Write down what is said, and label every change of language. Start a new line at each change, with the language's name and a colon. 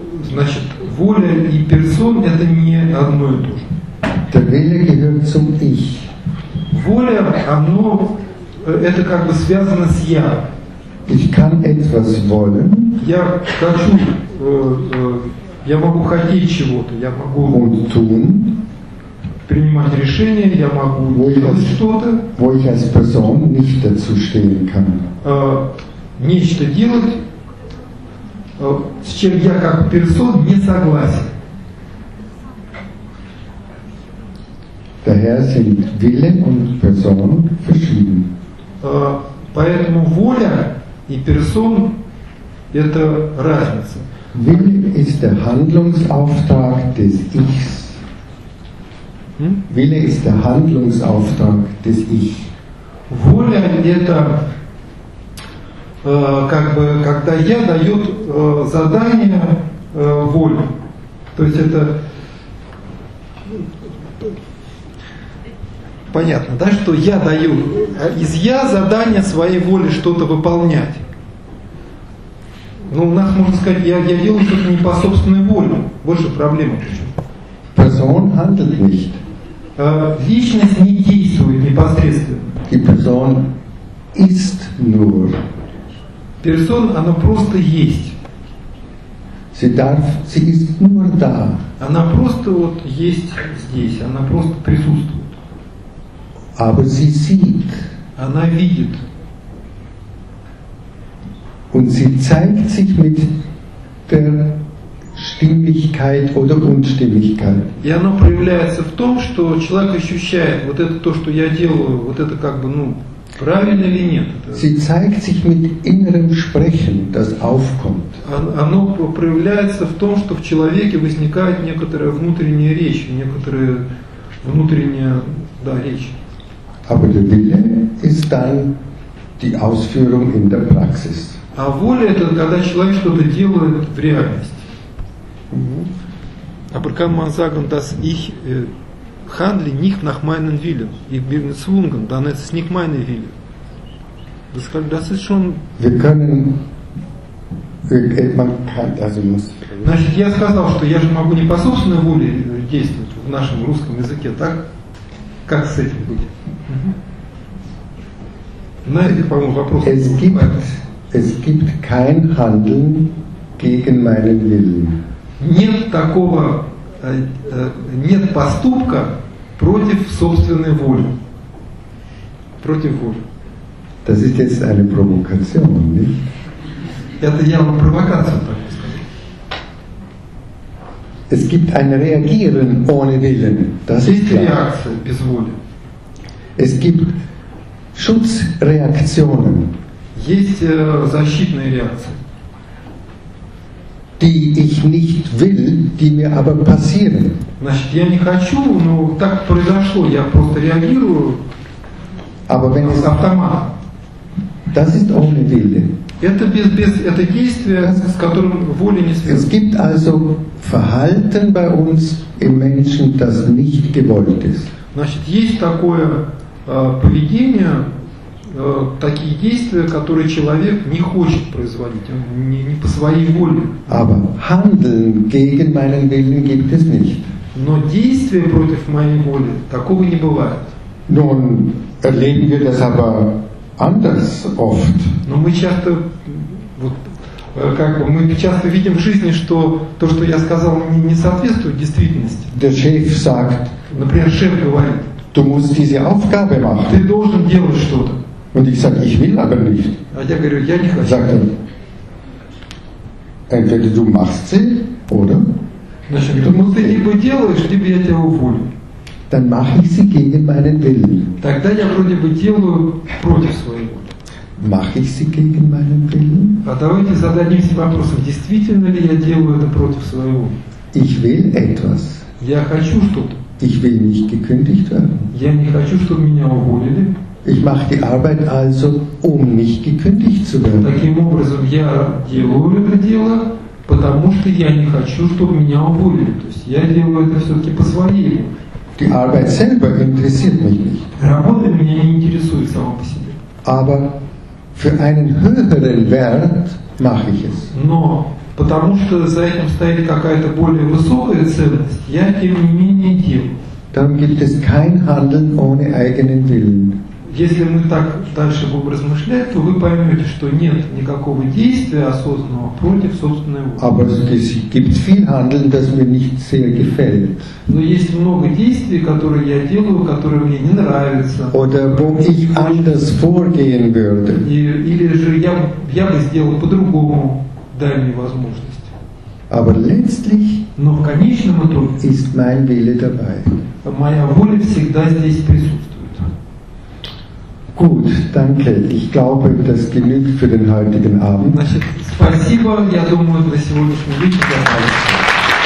Russian: Значит, воля и персон – это не одно и то же.
German: Der Wille gehört zum Ich.
Russian: Воля, оно, это как бы связано с «я».
German: Ich kann etwas wollen.
Russian: Я хочу, я могу хотеть чего-то, я могу
German: und tun,
Russian: принимать решения, я могу делать что-то.
German: Wo ich als Person nicht dazu stehen kann.
Russian: Нечто делать, с чем я как персон не согласен.
German: Daher sind Wille und Person verschieden.
Russian: Поэтому воля и персон – это разница.
German: Wille ist der Handlungsauftrag des Ichs. Wille ist der Handlungsauftrag des Ich.
Russian: Воля – это как бы, когда я даю задание воле. То есть это Понятно, да, что я даю, из я задание своей воли что-то выполнять. Но у нас можно сказать, я делаю что-то не по собственной воле. Больше проблема.
German: Person handelt nicht.
Russian: Личность не действует непосредственно.
German: Die Person ist nur.
Russian: Person, она просто есть.
German: Sie darf, sie ist nur da.
Russian: Она просто вот есть здесь, она просто присутствует.
German: Aber sie sieht.
Russian: Она видит.
German: Und sie zeigt sich mit der Stimmigkeit oder Unstimmigkeit.
Russian: И оно проявляется в том, что человек ощущает, вот это то, что я делаю, вот это как бы, ну, правильно или нет.
German: Sie zeigt sich mit innerem Sprechen, das aufkommt.
Russian: Оно проявляется в том, что в человеке возникает некоторая внутренняя речь, некоторая внутренняя, да, речь.
German: Aber der Wille ist dann die Ausführung in der Praxis.
Russian: А воля это когда человек что-то делает в реальности.
German: Aber kann man sagen, dass ich handle nicht nach meinem Willen. Ich bin gezwungen, dann ist es nicht mein Wille. Das ist schon. Wir können. Man kann, also muss.
Russian: Значит, я сказал, что я же могу не по собственной воле действовать в нашем русском языке, так? Как с этим будет? Знаете, по-моему, вопрос.
German: Es gibt kein Handeln gegen meinen Willen.
Russian: Нет такого, нет поступка против собственной воли. Против воли.
German: Das ist jetzt eine Provokation, nicht?
Russian: Это я вам провокацию так сказал.
German: Es gibt ein Reagieren ohne Willen. Das ist klar.
Russian: Реакция без воли.
German: Es gibt Schutzreaktionen.
Russian: Есть защитные реакции.
German: Die ich nicht will, die mir aber passieren.
Russian: Значит, я не хочу, но так произошло, я просто реагирую.
German: Aber wenn es
Russian: автомат.
German: Das ist ohne Wille.
Russian: Это без это действие, с которым воля не связана.
German: Es gibt also Verhalten bei uns im Menschen, das nicht gewollt ist.
Russian: Значит, есть такое поведение, такие действия, которые человек не хочет производить, не по своей воле.
German: Aber handeln gegen meinen Willen gibt es nicht.
Russian: Но действия против моей воли такого не бывает.
German: Nun erleben wir das aber anders oft.
Russian: Но мы часто вот как бы, мы часто видим в жизни, что то, что я сказал, не соответствует действительности.
German: Der Chef sagt.
Russian: Например, шеф говорит.
German: Du musst diese Aufgabe machen.
Russian: Ты должен делать что-то.
German: Und ich sage, ich will aber nicht.
Russian: А я говорю, я не хочу.
German: Sagt er, entweder du machst sie, oder?
Russian: Значит,
German: du musst
Russian: ты либо делаешь, либо я тебя уволю.
German: Dann mache ich sie gegen meinen Willen.
Russian: Тогда я вроде бы делаю против своей воли.
German: Mache ich sie gegen meinen Willen?
Russian: А давайте зададим себе вопрос, действительно ли я делаю это против своей воли?
German: Ich will etwas.
Russian: Я хочу что-то.
German: Ich will nicht gekündigt werden.
Russian: Я не хочу, чтобы меня уволили.
German: Ich mache die Arbeit also, um nicht gekündigt zu werden.
Russian: Таким образом, я делаю это дело, потому что я не хочу, чтобы меня уволили. То есть я делаю это все-таки по своей воле.
German: Die Arbeit selber interessiert mich nicht.
Russian: Работа меня не интересует сама по себе.
German: Aber für einen höheren Wert mache ich es.
Russian: Но потому что за этим стоит какая-то более высокая ценность, я тем не менее делаю.
German: Dann gibt es kein Handeln ohne eigenen Willen.
Russian: Если мы так дальше будем размышлять, то вы поймете, что нет никакого действия осознанного против собственной воли.
German: Aber es gibt viel Handeln, das mir nicht sehr gefällt.
Russian: Но есть много действий, которые я делаю, которые мне не нравятся.
German: Oder wo ich anders vorgehen würde.
Russian: Или же я бы сделал по-другому. Дай мне возможность.
German: Aber letztlich,
Russian: но в конечном итоге,
German: ist mein Wille dabei.
Russian: Моя воля всегда здесь присутствует.
German: Gut, danke. Ich glaube, das genügt für den heutigen Abend.
Russian: Значит, спасибо. Я думаю, для сегодняшнего вечера.